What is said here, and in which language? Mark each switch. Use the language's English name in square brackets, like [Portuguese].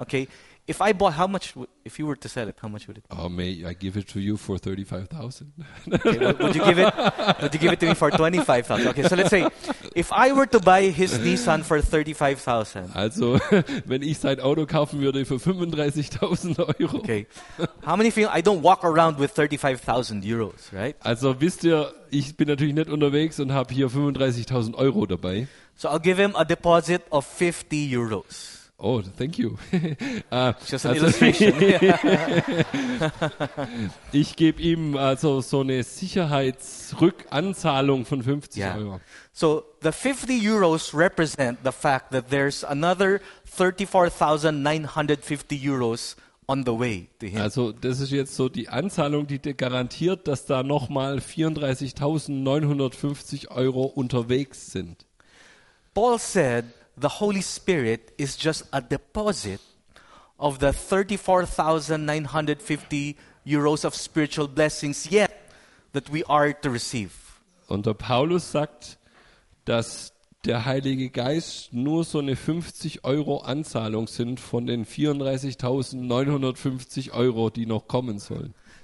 [English] okay. If I bought, how much, if you were to sell it, how much would it be? Oh, may I give it to you for $35,000? Okay, would you give it to me for $25,000? Okay, so let's say, if I were to buy his Nissan for $35,000. [German] Also, wenn ich sein Auto kaufen würde für 35.000 Euro. [English] Okay, how many of you, I don't walk around with 35,000 euros, right? [German] Also, wisst ihr, ich bin natürlich nicht unterwegs und habe hier 35.000 Euro dabei. [English] So I'll give him a deposit of 50 euros. Oh, thank you. Just an illustration. [German] Ich gebe ihm also so eine Sicherheitsrückanzahlung von 50 yeah. Euro. [English] So the 50 euros represent the fact that there's another 34,950 euros on the way to him. [German] Also das ist jetzt so die Anzahlung, die garantiert, dass da nochmal 34.950 Euro unterwegs sind. [English] Paul said, the Holy Spirit is just a deposit of the 34,950 euros of spiritual blessings yet that we are to receive. [German] Und der Paulus sagt, dass der Heilige Geist nur so eine 50 Euro Anzahlung sind von den 34.950 Euro, die noch kommen sollen.